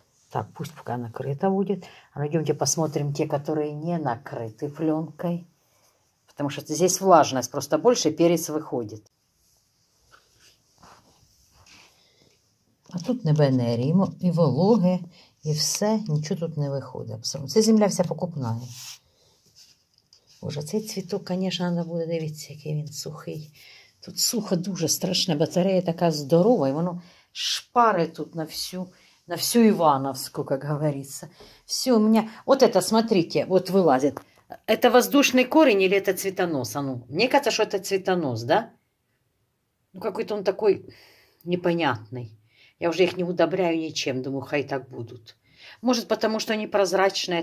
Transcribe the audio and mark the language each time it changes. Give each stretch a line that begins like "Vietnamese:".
Russian: Так, пусть пока накрыто будет. А мы идемте посмотрим те, которые не накрыты пленкой. Потому что здесь влажность просто больше, перец выходит. А тут не бенери, и вологи, и все. Ничего тут не выходит абсолютно.
Ukrainian: Це земля вся покупная. Боже, цей цвіток,
Russian: конечно, надо
Ukrainian: буде дивитися, який він сухий. Тут сухо дуже страшно, батарея така здорова, і воно шпарить тут на всю Івановську,
Russian: как говорится. Все, у меня... Вот это, смотрите, вот вылазит. Это воздушный корень или это цветонос? А ну, мне кажется, что это цветонос, да? Ну, какой-то он такой непонятный. Я уже их не удобряю ничем, думаю, хай так будут. Может, потому что они прозрачные.